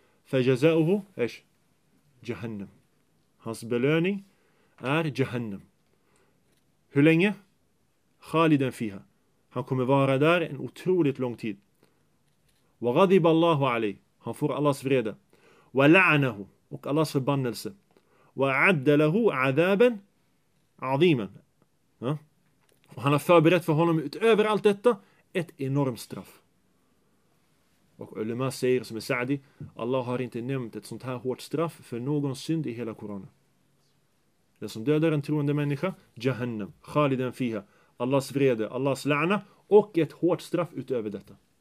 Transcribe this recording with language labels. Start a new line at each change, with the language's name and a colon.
Arabic: فَجَزَاؤُهُ إِشْ جَهَنَّم
Swedish: Hans belöning är Jahannam. Hur länge?
Arabic: خَالِدًا فِيهَا
Swedish: Han kommer vara där en otroligt lång tid.
Arabic: وَغَضِبَ اللَّهُ عَلَيْهِ
Swedish: Han får Allahs vrede.
Arabic: وَلَعَنَهُ
Swedish: Och Allahs förbannelse.
Arabic: وَعَدَّ لَهُ عَذَابًا عَظِيمًا ja?
Swedish: Och han har förberett för honom utöver allt detta ett enormt straff. Och ulema säger som är Sa'di, Allah har inte nämnt ett sånt här hårt straff för någon synd i hela Koranen. Det som dödar en troende människa, Jahannam, Khaliden fiha, Allahs vrede, Allahs la'na och ett hårt straff utöver detta.